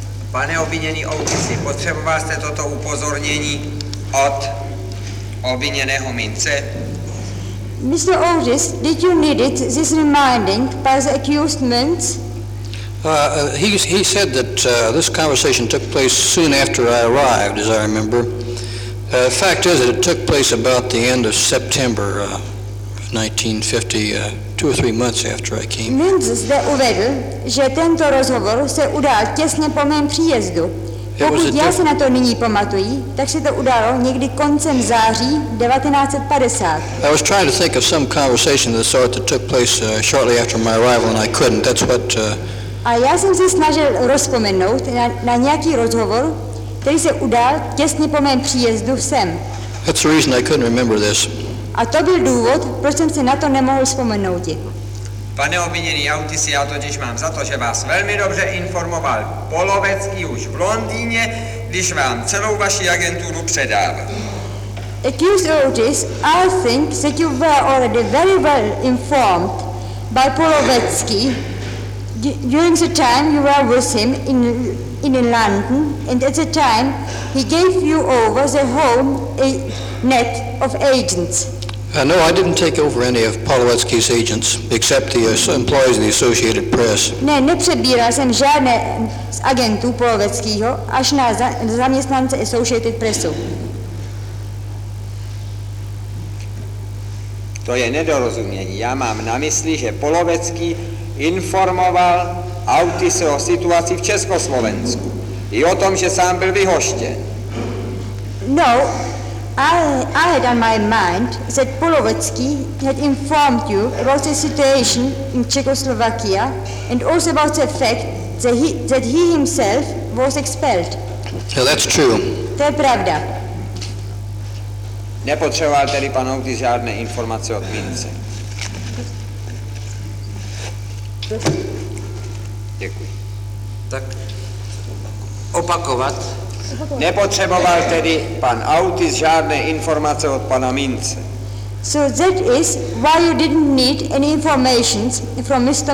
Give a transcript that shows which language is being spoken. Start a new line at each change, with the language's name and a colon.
Czech: Pane obviněný Otisi, potřeboval jste toto upozornění od obviněného Mintze?
English: Mr. Otis, did you need it, this reminding by the accused men? He said that this conversation took place soon after I arrived, as I remember. The fact is that it took place about the end of September 1950, two or three months after I came.
Czech: Mintz zde uvedl, že tento rozhovor se udál těsně po mém příjezdu. Pokud já se na to nyní pamatuji, tak se to událo někdy koncem září 1950.
English: I was trying to think of some conversation of the sort that took place shortly after my arrival and I couldn't. That's what...
Czech: A já jsem se snažil rozpomenout na nějaký rozhovor, který se udál těsně po mém příjezdu sem.
English: That's the reason I couldn't remember this.
Czech: A to byl důvod, proč jsem se na to nemohl vzpomenout. Pane obviněný Autisi, já totiž mám za to, že vás velmi dobře informoval Polovecký už v Londýně, když vám celou vaši agenturu předal.
English: Accused Otis, I think that you were already very well informed by Polovecký during the time you were with him in London, and at the time he gave you over the whole net of agents. No, I didn't take over any of Polovetsky's agents, except the employees of the Associated Press.
Czech: Ne, nepřebíral jsem žádné z agentů Polovetskýho, až na zaměstnance Associated Pressu. To je nedorozumění. Já mám na mysli, že Polovetský informoval Autise o situaci v Československu. I o tom, že sám byl vyhoštěn. No.
English: I had on my mind that Polovetsky had informed you about the situation in Czechoslovakia and also about the fact that he himself was expelled. Yeah, that's true.
Czech: To je pravda. Nepotřeboval tedy pan Otis žádné informace od Mince. Děkuji. Tak opakovat. Nepotřeboval tedy pan Autis žádné informace od pana Mince.
English: So that is why you didn't need any information from Mr.